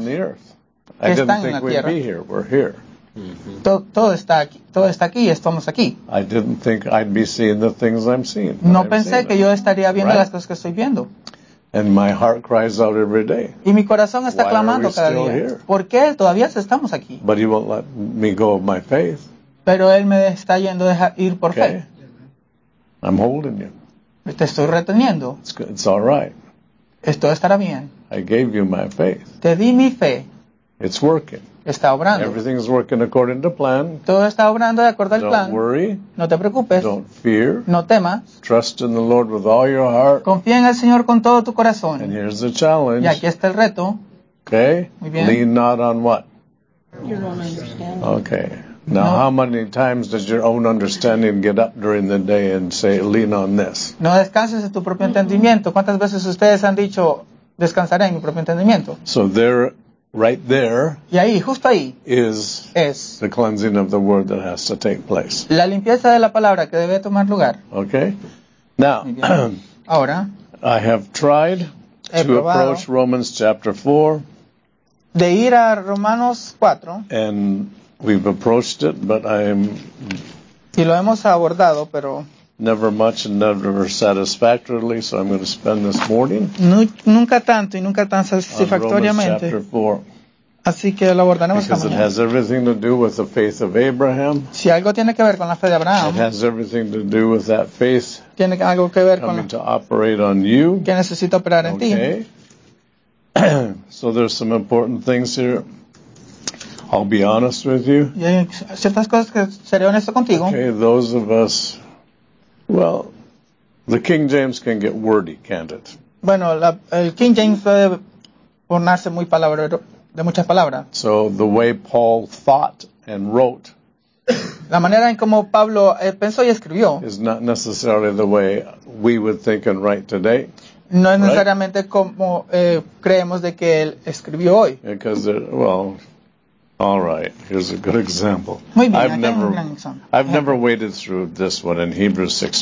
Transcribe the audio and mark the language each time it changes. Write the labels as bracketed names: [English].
[English] On the earth. I didn't think we'd be here. We're here. [Spanish] Todo está aquí. Estamos aquí. [English] I didn't think I'd be seeing the things I'm seeing. [Spanish] No pensé que yo estaría viendo las cosas que estoy viendo. [English] And my heart cries out every day. [Spanish] Y mi corazón está clamando cada día. [English] Why are we still here? [Spanish] ¿Por qué todavía estamos aquí? [English] But he won't let me go of my faith. [Spanish] Pero él me está yendo a ir por fe. [English] I'm holding you. [Spanish] Te estoy reteniendo. [English] It's all right. [Spanish] Esto estará bien. [English] I gave you my faith. [Spanish] Te di mi fe. [English] It's working. [Spanish] Está obrando. [English] Everything is working according to plan. [Spanish] Todo está obrando de acuerdo [English] Don't [Spanish] al plan. [English] Don't worry. [Spanish] No te preocupes. [English] Don't fear. [Spanish] No temas. [English] Trust in the Lord with all your heart. [Spanish] Confía en el Señor con todo tu corazón. [English] And here's the challenge. [Spanish] Y aquí está el reto. [English] Okay. [Spanish] Muy bien. [English] Lean not on what? Your own understanding. Okay. Now, no. How many times does your own understanding get up during the day and say, lean on this? [Spanish] No descanses en tu propio entendimiento. ¿Cuántas veces ustedes han dicho, descansaré en mi propio entendimiento? [English] So there, right there, [Spanish] y ahí, justo ahí, [English] is the cleansing of the word that has to take place. [Spanish] La limpieza de la palabra que debe tomar lugar. [English] Okay. Now, [Spanish] ahora, [English] I have tried to approach Romans chapter 4. [Spanish] De ir a Romanos 4. [English] And we've approached it, but [Spanish] y lo hemos abordado, pero [English] never much and never satisfactorily, so I'm going to spend this morning [Spanish] nunca tanto y nunca tan satisfactoriamente [English] on Romans chapter 4. [Spanish] Así que lo abordaremos [English] because [Spanish] mañana. [English] It has everything to do with the faith of Abraham. [Spanish] Si algo tiene que ver con la fe de Abraham. [English] It has everything to do with that faith. [Spanish] Tiene algo que ver [English] coming to operate on you. [Spanish] Que necesita operar en [English] okay. [Spanish] ti. [English] So there's some important things here. I'll be honest with you. [Spanish] Ciertas cosas que seré honesto contigo. [English] Okay, those of us, well, the King James can get wordy, can't it? [Spanish] Bueno, el King James puede ponerse muy palabrero, de muchas palabras. [English] So the way Paul thought and wrote. [Spanish] La manera en como Pablo pensó y escribió. [English] Is not necessarily the way we would think and write today. [Spanish] No es necesariamente right? como creemos de que él escribió hoy. [English] Because there, well. All right, here's a good example. [Spanish] Muy bien, [English] I've never waded through this one in Hebrews 6.